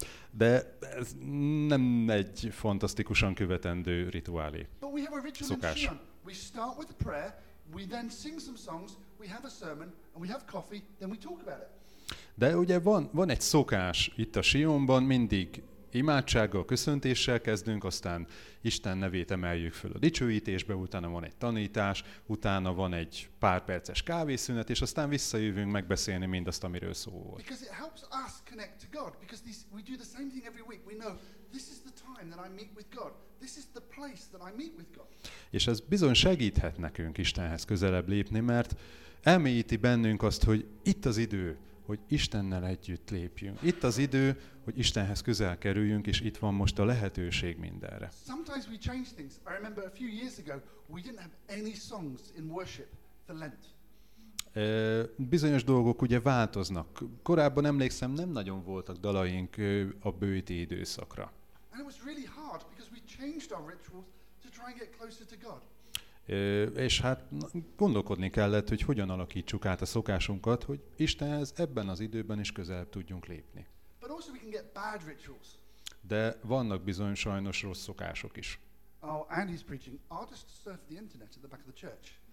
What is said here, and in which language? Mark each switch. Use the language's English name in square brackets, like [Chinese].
[Hungarian] De ez nem egy fantasztikusan követendő rituálé. [English] But we have a ritual [Hungarian] szokás. [English] In Sion. We start with a prayer, we then sing some songs, we have a sermon, and we have coffee, then we talk about it. [Hungarian] De ugye van egy szokás itt a Sionban, mindig imádsággal, köszöntéssel kezdünk, aztán Isten nevét emeljük föl a dicsőítésbe, utána van egy tanítás, utána van egy pár perces kávészünet, és aztán visszajövünk megbeszélni mindazt, amiről szó volt. [English] Because it helps us connect to God, because this, we do the same thing every week. We know this is the time that I meet with God. This is the place that I meet with God. [Hungarian] És ez bizony segíthet nekünk Istenhez közelebb lépni, mert elmélyíti bennünk azt, hogy itt az idő, hogy Istennel együtt lépjünk. Itt az idő, hogy Istenhez közel kerüljünk, és itt van most a lehetőség mindenre. [English] Sometimes we change things. I remember a few years ago, we didn't have any songs in worship for Lent. [Hungarian] Bizonyos dolgok ugye változnak. Korábban emlékszem, nem nagyon voltak dalaink a bőti időszakra. [English] And it was really hard because we changed our rituals to try and get closer to God. [Hungarian] És hát gondolkodni kellett, hogy hogyan alakítsuk át a szokásunkat, hogy Istenhez ebben az időben is közelebb tudjunk lépni. [English] But also we can get bad rituals. [Hungarian] De vannak bizony sajnos rossz szokások is. [English] Oh, and he's preaching. I'll just surf the internet at the back of the church.